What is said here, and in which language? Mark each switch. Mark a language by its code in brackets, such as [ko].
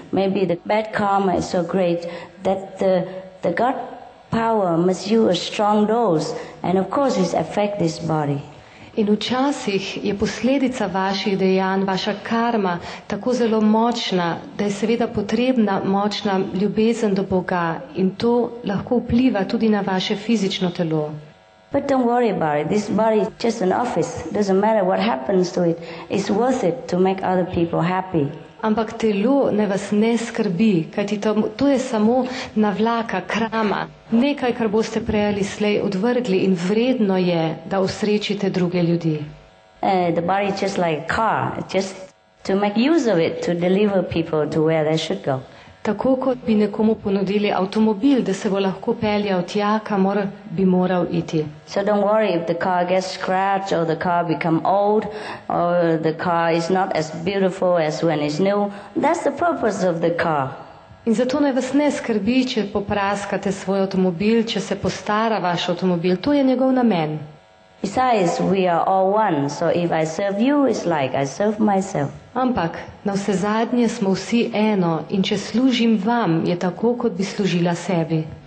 [en] Maybe the bad karma is so great that the God power must use a strong dose, and of course it affects this body. [sl] In včasih je posledica vaših dejanj, vaša karma, tako zelo močna, da je seveda potrebna močna ljubezen do Boga in to lahko vpliva tudi na vaše fizično telo. [en] But don't worry about it. This body is just an office. Doesn't matter what happens to it. It's worth it to make other people happy. [sl] Ampak telo ne vas ne skrbi, kajti to je samo navlaka, krama, nekaj, kar boste prej ali slej odvrgli in vredno je, da osrečite druge ljudi. [en] The body is just like a car, just to make use of it, to deliver people to where they should go. [sl] Tako kot bi nekomu ponudili avtomobil, da se bo lahko peljal tja, kamor bi moral iti. [en] So don't worry if the car gets scratched or the car become old or the car is not as beautiful as when it's new. That's the purpose of the car. [sl] In zato naj vas ne skrbi, če popraskate svoj avtomobil, če se postara vaš avtomobil. To je njegov namen. [en] Besides, we are all one, so if I serve you, it's like I serve myself. [sl] Ampak, na vse zadnje smo vsi eno in če služim vam, je tako, kot bi služila sebi.